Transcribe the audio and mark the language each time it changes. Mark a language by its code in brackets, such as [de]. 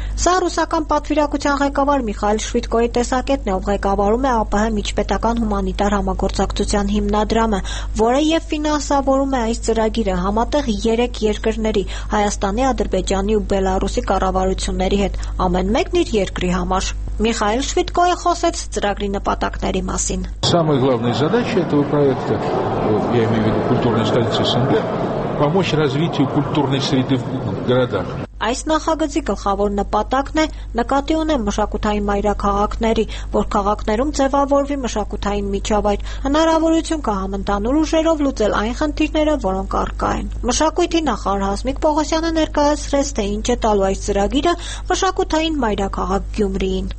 [hy] Սա ռուսական պատվիրակության ղեկավար Միխայել Շվիդկոյի տեսակետն է, ով ղեկավարում է ԱՊՀ միջպետական հումանիտար համագործակցության հիմնադրամը, որը և ֆինանսավորում է այս ծրագիրը համատեղ 3 երկրների՝ Հայաստանի, Ադրբեջանի ու Բելարուսի կառավարությունների հետ, ամեն մեկն իր երկրի համար։ Михаил Швидкой խոսեց ծրագրի նպատակների մասին։ [ru] Самой главной задачей этого проекта, я имею в виду культурной столицы СНГ, помочь развитию культурной среды в городах. [hy] Այս նախագծի գլխավոր նպատակն է նկատի ունեմ մշակութային մայրաքաղաքների, որ քաղաքներում ձևավորվի մշակութային միջավայր, հնարավորություն կա համընդհանուր ուժերով լուծել այն խնդիրները, որոնք առկա են։ Մշակույթի նախարար Հասմիկ Պողոսյանը ներկայացրեց, թե ինչ է տալու այս ծրագիրը մշակութային մայրաքաղաք Գյումրիին։